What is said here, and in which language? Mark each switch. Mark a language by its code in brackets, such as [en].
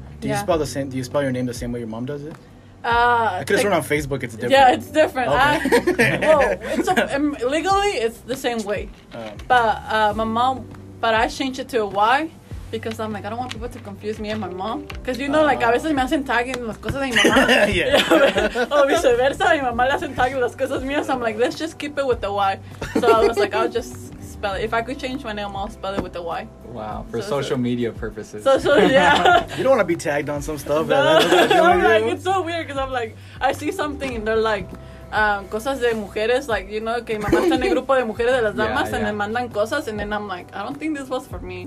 [en] Do you spell the same? Do you spell your name the same way your mom does it? I could have sworn on Facebook it's different. Yeah, it's different. Okay. Legally, it's the same way. But my mom, I changed it to a Y because I'm like, I don't want people to confuse me and my mom. Because, you know, like, [es] a veces me hacen tagging las cosas de mi mamá. [en] Yeah. [es] O viceversa, mi mamá le hacen tagging las cosas mías. [en] So I'm like, let's just keep it with the Y. So I was like, I'll just spell it. If I could change my name, I'll spell it with the Y. Wow, for so, social media purposes. Social, yeah. You don't want to be tagged on some stuff. No. I'm like, it's so weird because I'm like, I see something and they're like, [es] cosas de mujeres, [en] like, you know, [es] que mi mamá está en el grupo de mujeres de las damas, [en] yeah, and then mandan cosas, and then I'm like, I don't think this was for me.